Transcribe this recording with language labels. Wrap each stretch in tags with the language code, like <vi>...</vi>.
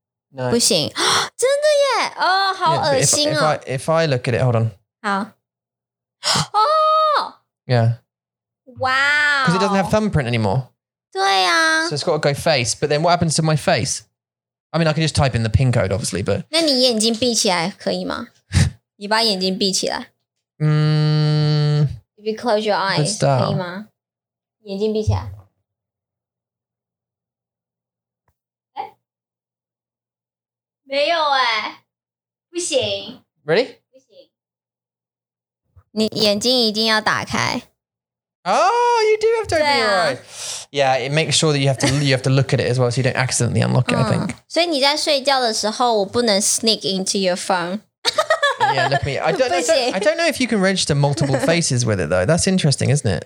<zh>no. 不行。真的耶！哦，好恶心哦。</zh> <en>If I look at it, hold on.</en> <zh>好。哦。</zh> <en>Yeah. Wow. Because it doesn't have thumbprint anymore.</en> <zh>对啊。</zh> <en>So it's got to go face, but then what happens to my face? I mean, I can just type in the PIN code, obviously, but.</en> <zh>那你眼睛闭起来可以吗？你把眼睛闭起来。</zh> <en>If you close your eyes,</en> <zh>可以吗？眼睛闭起来。没有哎、欸，不行。</zh> <en>Ready？</en> <zh>不行。你眼睛一定要打开。</zh> <en>Oh, you do have to open your eyes. Yeah, it makes sure that you have to look at it as well, so you don't accidentally unlock it, I think.</en> <zh>所以你在睡觉的时候，我不能</zh> <en>sneak into your phone. I don't know if you can register multiple faces with it, though. That's interesting, isn't it?</en>